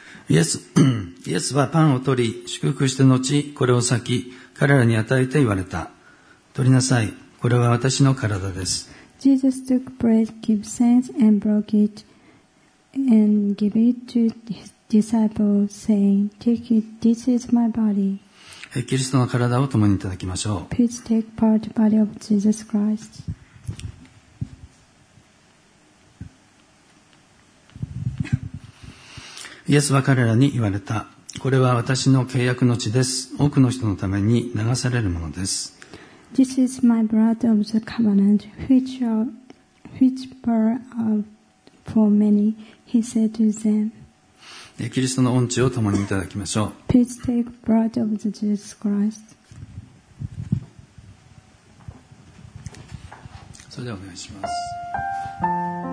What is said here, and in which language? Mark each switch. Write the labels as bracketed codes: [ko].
[ja] イエスはパンを取り祝福して後これを裂き彼らに与えて言われた。取りなさい、これは私の体です。 [en] Jesus took bread, gave thanks and broke it and gave it to his disciples saying, Take it, this is my body. [ja] キリストの体を共にいただきましょう。 [en] Please take part the body of Jesus Christ. [ja] イエスは彼らに言われた。これは私の契約の血です。多くの人のために流されるものです。 [en] This is my blood of the covenant, which for many, he said to them. [ja] キリストの恩知を共にいただきましょう。 [en] Please take bread of the Jesus Christ. [ja] それではお願いします。